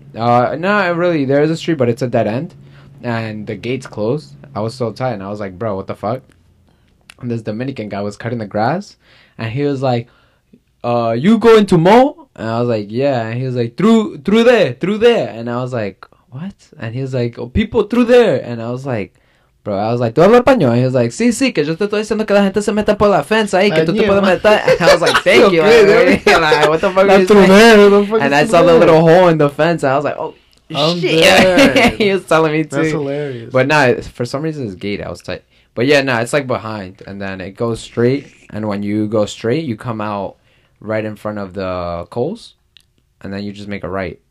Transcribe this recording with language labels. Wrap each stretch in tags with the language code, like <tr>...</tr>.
<en>No, really, there is a street, but it's a dead end, and the gate's closed. I was so tight, and I was like, "Bro, what the fuck?" And this Dominican guy was cutting the grass, and he was like, "You go into mall?" And I was like, "Yeah." And he was like, "Through there," and I was like, "What?" And he was like, "Oh, people through there," and I was like. Bro, I was like,</en> <es>¿tú hablas español?</es> <en>He was like,</en> <es>sí, sí, que yo te estoy diciendo que la gente se meta por la fence ahí, que tú te puedes meter.</es> <en>And I was like, thank you. Okay, like, what the fuck is that? And I saw the little hole in the fence. And I was like, oh, I'm shit. He was telling me too. That's hilarious. But nah, for some reason, it's gate. I was tight. But yeah, nah, it's like behind. And then it goes straight. And when you go straight, you come out right in front of the Kohl's. And then you just make a right.</en>